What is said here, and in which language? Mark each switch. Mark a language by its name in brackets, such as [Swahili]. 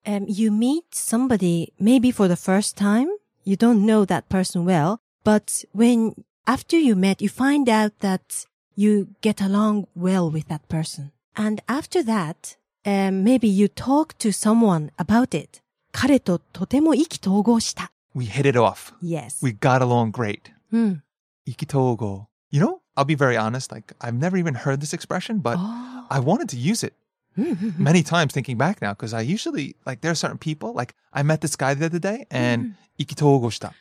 [English] You meet somebody maybe for the first time. You don't know that person well. But when after you met, you find out that you get along well with that person. And after that, maybe you talk to someone about it. [Japanese] 彼ととても意気投合した。 [English] We hit it off. Yes. We got along great. Hmm. [Japanese] 意気投合. [English] You know, I'll be very honest, like, I've never even heard this expression, but oh. I wanted to use it many times thinking back now, because I usually, like, there are certain people, like, I met this guy the other day, and [Japanese] 意気投合した.